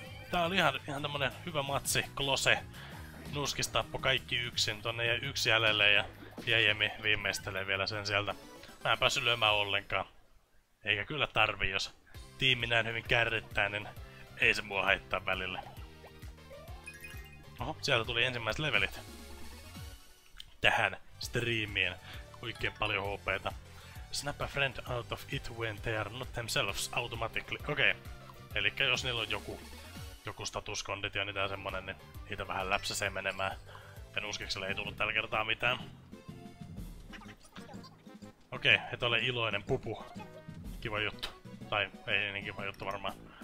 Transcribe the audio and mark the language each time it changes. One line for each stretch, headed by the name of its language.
Finnish: Tää oli ihan tämmönen hyvä matsi, close. Nuuskis tappoi kaikki yksin, tonne jäi yksi jäljelle ja Jäjemi viimeistelee vielä sen sieltä. Mä en päässyt lyömään ollenkaan. Eikä kyllä tarvi, jos tiimi näin hyvin kärryttää, niin ei se mua haittaa välille. Oho, sieltä tuli ensimmäiset levelit tähän striimiin. Oikein paljon HP:ta.
English: Snap a friend out of it when they are not themselves automatically. Okei.
Finnish: Elikkä jos niillä on joku statuskonditio niin tää semmonen, niin niitä vähän läpsäsee menemään. En uskikselle ei tullut tällä kertaa mitään. Okei, et ole iloinen pupu. Kiva juttu. Tai ei niin kiva juttu varmaan.